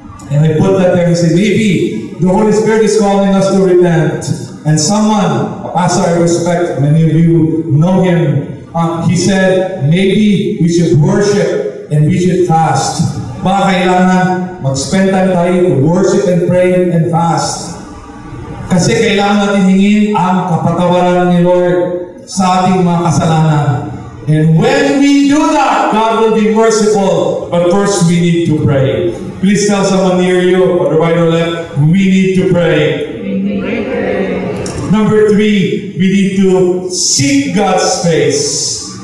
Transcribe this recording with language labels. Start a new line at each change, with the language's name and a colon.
English: And I put that there and say, maybe the Holy Spirit is calling us to repent. And someone, a pastor I respect, many of you know him, he said, maybe we should worship and we should fast.
Filipino: Baka kailangan mag-spend time tayo
English: to worship and pray and fast.
Filipino: Kasi kailangan natin hingin ang kapatawaran ni Lord sa ating mga kasalanan.
English: And when we do that, God will be merciful. But first, we need to pray. Please tell someone near you, on the right or left, we need to pray. Number three, we need to seek God's face.